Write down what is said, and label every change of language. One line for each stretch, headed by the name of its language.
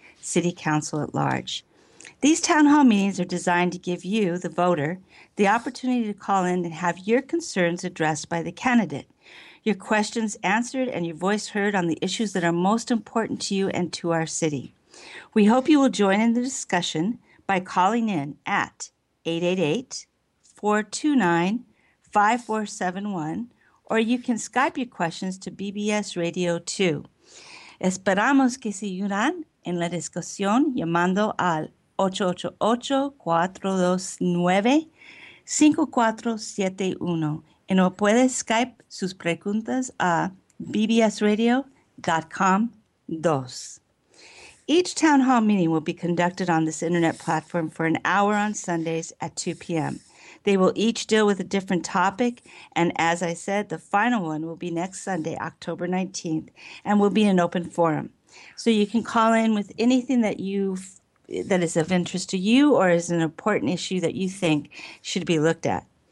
English: City Council at Large. These town hall meetings are designed to give you, the voter, the opportunity to call in and have your concerns addressed by the candidate, your questions answered, and your voice heard on the issues that are most important to you and to our city. We hope you will join in the discussion by calling in at 888-429-5471, or you can Skype your questions to BBS Radio 2.
Spanish: Esperamos que se unan en la discusión llamando al 888-429-5471. Y no puedes Skype sus preguntas a bbsradio.com2.
English: Each town hall meeting will be conducted on this internet platform for an hour on Sundays at 2 p.m. They will each deal with a different topic, and as I said, the final one will be next Sunday, October 19th, and will be an open forum. So you can call in with anything that that is of interest to you or is an important issue that you think should be looked at.